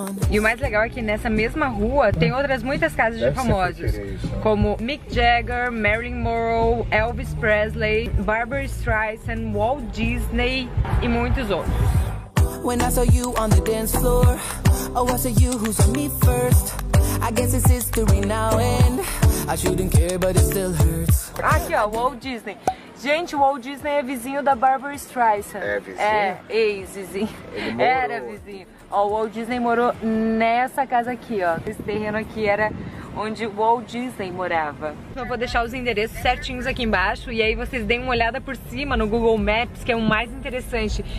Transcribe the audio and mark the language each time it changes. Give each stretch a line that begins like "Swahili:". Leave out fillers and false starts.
Portuguese: E o mais legal é que nessa mesma rua tem outras muitas casas de famosos, como Mick Jagger, Marilyn Monroe, Elvis Presley, Barbara Streisand, Walt Disney e muitos outros.
English: When I saw you on the dance floor, oh, I saw you who saw me first. I guess it's history now and I shouldn't care, but it still hurts.
Portuguese: Aqui ó, Walt Disney. Gente, o Walt Disney é vizinho da Barbara Streisand. É, vizinho. É, ex-vizinho. Era vizinho. Ó, o Walt Disney morou nessa casa aqui, ó. Esse terreno aqui era onde o Walt Disney morava. Eu vou deixar os endereços certinhos aqui embaixo e aí vocês deem uma olhada por cima no Google Maps, que é o mais interessante.